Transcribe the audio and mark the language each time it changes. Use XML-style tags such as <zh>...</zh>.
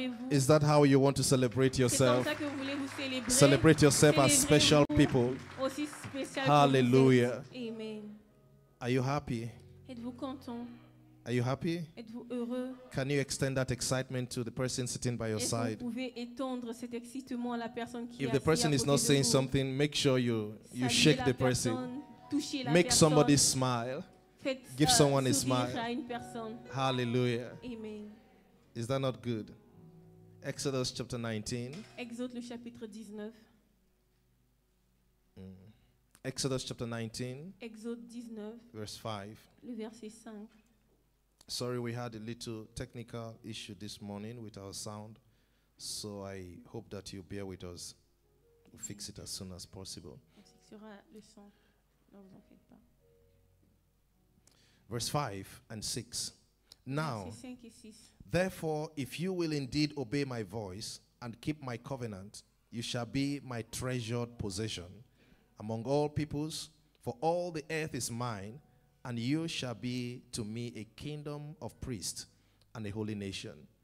<en>Is that how you want to celebrate yourself? Celebrate yourself as special people. Hallelujah. Amen. Are you happy?</en> <fr>Êtes-vous content?</fr> <en>Are you happy?</en> <fr>Êtes-vous heureux?</fr> <en>Can you extend that excitement to the person sitting by your side?</en> <fr>Vous pouvez étendre cet excitement à la personne qui</fr> <en>if the person is not saying something, make sure you shake the person.</en> <fr>Touchez la</fr> <en>make</en> <fr>personne.</fr> <en>Somebody smile.</en> <fr>Faites</fr> <en>give someone a smile.</en> <fr>À une personne.</fr> <en>Hallelujah. Amen. Is that not good? Exodus chapter 19.</en> <fr>Exode le chapitre 19.</fr> <en>Exodus chapter 19.</en> <fr>Exode 19.</fr> <en>Verse 5.</en> <fr>Le verset 5.</fr> <en>Sorry, we had a little technical issue this morning with our sound. So I hope that you bear with us. We'll fix it as soon as possible.</en> <fr>On fixera le son. Non, vous en faites pas.</fr> <en>verse 5 and 6. Now, therefore, if you will indeed obey my voice and keep my covenant, you shall be my treasured possession among all peoples, for all the earth is mine, and you shall be to me a kingdom of priests and a holy nation.</en>